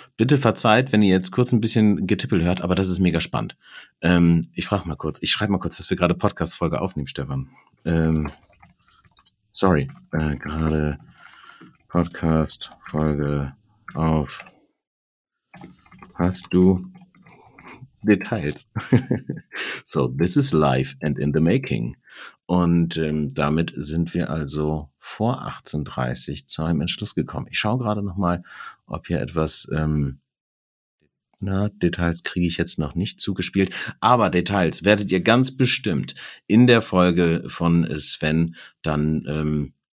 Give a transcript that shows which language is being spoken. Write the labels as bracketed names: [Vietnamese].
[German] Bitte verzeiht, wenn ihr jetzt kurz ein bisschen Getippel hört, aber das ist mega spannend. Ich schreibe mal kurz, dass wir gerade Podcast-Folge aufnehmen, Stefan. Gerade Podcast-Folge auf. Hast du Details. [English] So, this is live and in the making. [German] Und damit sind wir also vor 18:30 zu einem Entschluss gekommen. Ich schaue gerade nochmal, ob hier etwas, Details kriege ich jetzt noch nicht zugespielt. Aber Details werdet ihr ganz bestimmt in der Folge von Sven dann,